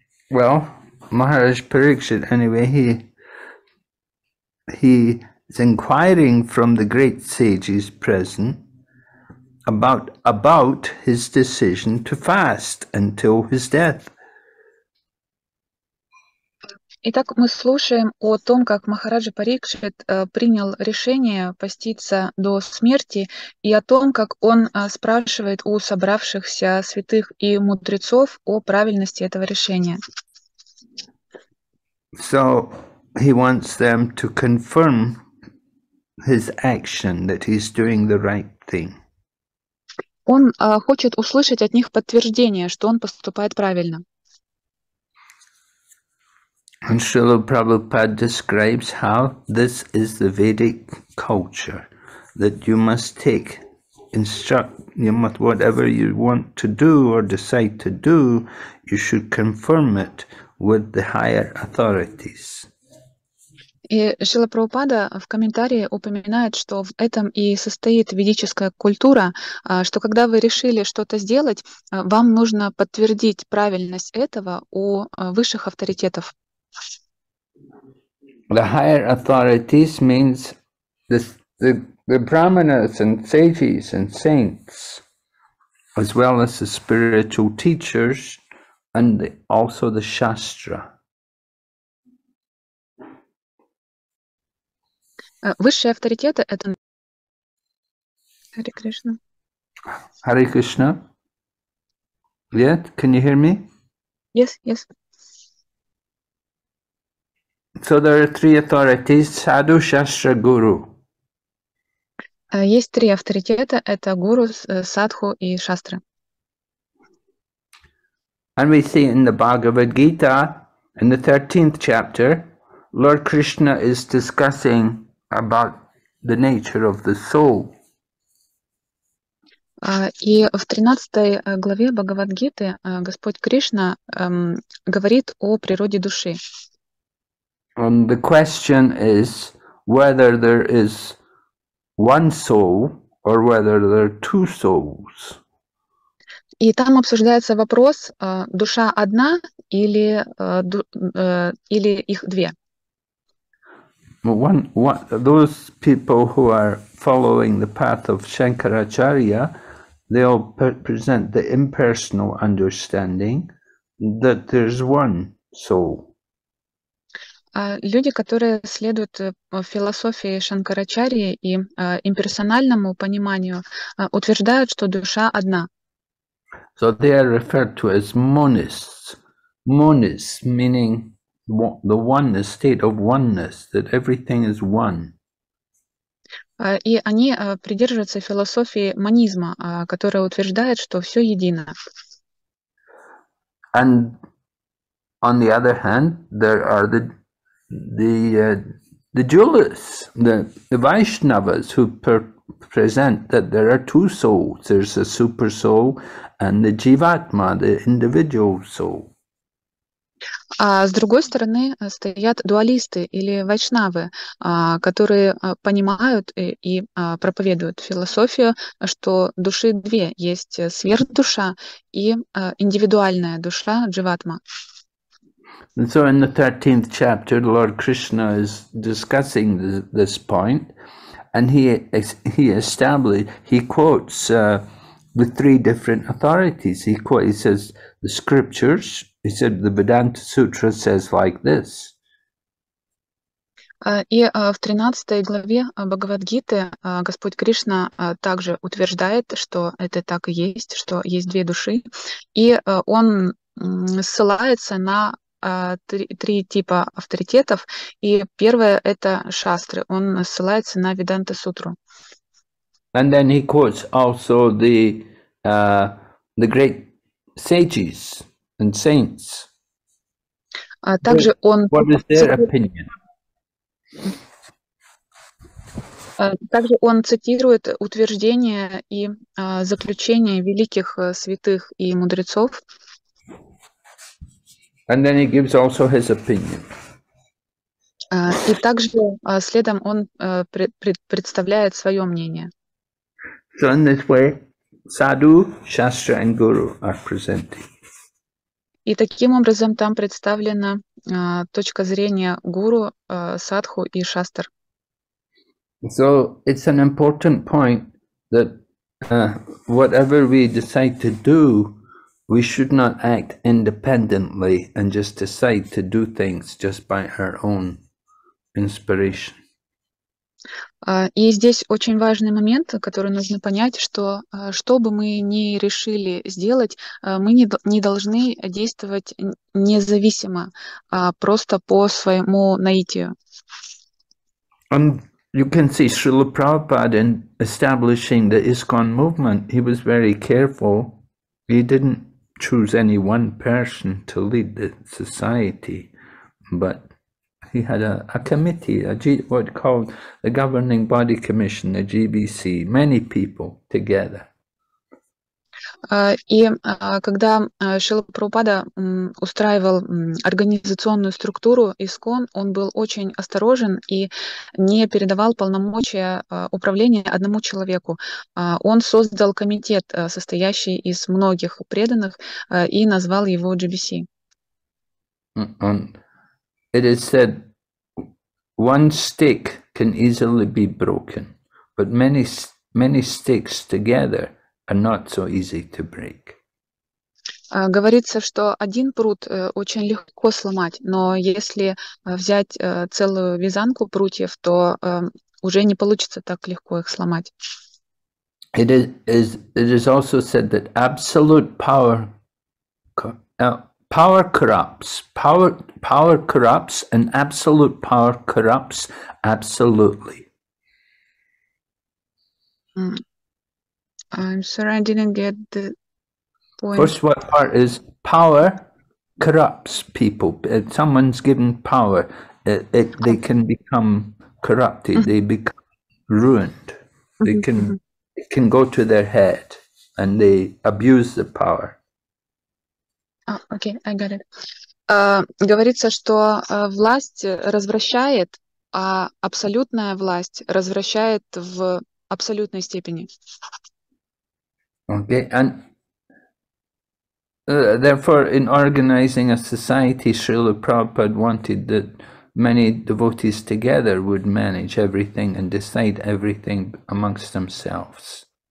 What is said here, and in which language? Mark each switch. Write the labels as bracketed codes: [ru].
[en] Well, Maharaj Parikshit, anyway, he is inquiring from the great sages present about his decision to fast until his death. [ru] Итак, мы слушаем о том, как Махараджа Парикшит принял решение поститься до смерти, и о том, как он спрашивает у собравшихся святых и мудрецов о правильности этого решения. [en] So he wants them to confirm his action that he's doing the right thing. [ru] Он хочет услышать от них подтверждение, что он поступает правильно. [en] And Srila Prabhupada describes how this is the Vedic culture, that you must take, instruct, you must, whatever you want to do or decide to do, you should confirm it with the higher authorities. [ru] И Шрила Прабхупада в комментарии упоминает, что в этом и состоит ведическая культура, что когда вы решили что-то сделать, вам нужно подтвердить правильность этого у высших авторитетов. [en] The higher authorities means the brahmanas and sages and saints, as well as the spiritual teachers and the, also the shastra. [ru] Высшие авторитеты — это [en] Hare Krishna. Hare Krishna. Yeah, can you hear me? Yes, yes. So there are three authorities: sadhu, shastra, guru. [ru] Есть три авторитета — это гуру, садху и шастра. [en] And we see in the Bhagavad Gita, in the 13th chapter, Lord Krishna is discussing about the nature of the soul. [ru] И в 13 главе Бхагавад-гиты Господь Кришна говорит о природе души. [en] And the question is whether there is one soul or whether there are two souls. [ru] И там обсуждается вопрос, душа одна или или их две. [en] Those people who are following the path of Shankaracharya, they'll present the impersonal understanding that there's one soul. [ru] Люди, которые следуют философии Шанкарачарьи и имперсональному пониманию, утверждают, что душа одна. [en] So they are referred to as monists. Monists meaning the oneness, state of oneness, that everything is one. [ru] И они придерживаются философии монизма, которая утверждает, что все едино. [en] And on the other hand, there are the dualists, the Vaishnavas, who present that there are two souls. There's a super soul and the Jivatma, the individual soul. [ru] А с другой стороны стоят дуалисты или вайшнавы, которые понимают и проповедуют философию, что души две, есть сверхдуша и индивидуальная душа, дживатма. [en] And so in the 13th chapter, Lord Krishna is discussing this point, and he established, he quotes the three different authorities. He says the scriptures. He said the Vedanta Sutra says like this. [ru] И в 13 главе Бхагавад-гиты Господь Кришна также утверждает, что это так и есть, что есть две души. И он ссылается на три типа авторитетов. И первое — это шастры. Он ссылается на Vedanta Sutra. [en] And then he quotes also the great sages. And saints. [ru] Также он. [en] What is their opinion? [ru] Также он цитирует утверждения и заключения великих святых и мудрецов. [en] And then he gives also his opinion. [ru] И также следом он представляет свое мнение. [en] So in this way, sadhu, shastra, and guru are presenting. [ru] И таким образом там представлена точка зрения гуру, садху и шастр. [en] So it's an important point that whatever we decide to do, we should not act independently and just decide to do things just by our own inspiration. [ru] И здесь очень важный момент, который нужно понять, что бы мы ни решили сделать, мы не должны действовать независимо, просто по своему наитию. [en] And you can see Srila Prabhupada in establishing the ISKCON movement, he was very careful. He didn't choose any one person to lead the society, But he had a committee, a G, what called the Governing Body Commission, the GBC, many people together. [ru] И когда Шрила Прабхупада устраивал организационную структуру ИСККОН, он был очень осторожен и не передавал полномочия управления одному человеку. Он создал комитет, состоящий из многих преданных, и назвал его GBC. [en] It is said one stick can easily be broken, but many, many sticks together are not so easy to break. [ru] Говорится, что один прут очень легко сломать, но если взять целую вязанку прутьев, то уже не получится так легко их сломать. [en] It is also said that absolute power power corrupts. Power corrupts, and absolute power corrupts absolutely. I'm sorry, I didn't get the point. First, what part is power corrupts people. If someone's given power, they can become corrupted, they become ruined. They can it can go to their head and they abuse the power. Okay, I got it. [ru] Говорится, что власть развращает, а абсолютная власть развращает в абсолютной степени. [en] Okay, and therefore, in organizing a society, Srila Prabhupada wanted that many devotees together would manage everything and decide everything amongst themselves.